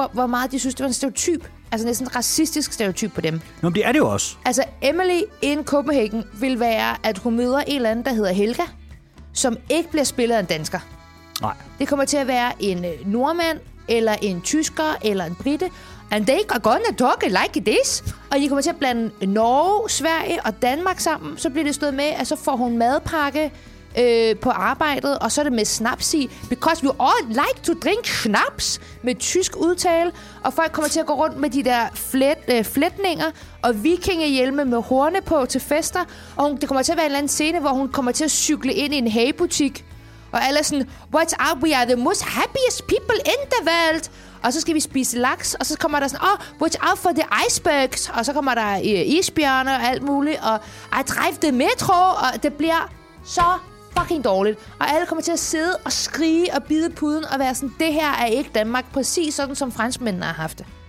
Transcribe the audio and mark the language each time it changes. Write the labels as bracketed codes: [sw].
[da] Hvor meget de synes, det var en stereotyp. Altså næsten en racistisk stereotyp på dem. Nå, men det er det jo også. Altså, Emily in Copenhagen vil være, at hun møder en eller anden, der hedder Helga, som ikke bliver spillet af en dansker. Nej. Det kommer til at være en nordmand, eller en tysker, eller en brite... [en] And they are gonna talk like this. [da] Og de kommer til at blande Norge, Sverige og Danmark sammen. Så bliver det stået med, at så får hun madpakke på arbejdet. Og så er det med snaps i. [en] Because we all like to drink snaps [da] med tysk udtale. Og folk kommer til at gå rundt med de der flætninger. Og vikingehjelme med horne på til fester. Og det kommer til at være en eller anden scene, hvor hun kommer til at cykle ind i en hagebutik. Og alle er sådan, [en] what's up, we are the most happiest people in the world. [da] Og så skal vi spise laks, og så kommer der sådan, [en] oh, watch out for the icebergs. [da] Og så kommer der isbjørne og alt muligt, og [en] I drive the metro, [da] og det bliver så fucking dårligt. Og alle kommer til at sidde og skrige og bide puden og være sådan, det her er ikke Danmark, præcis sådan som franskmændene har haft det.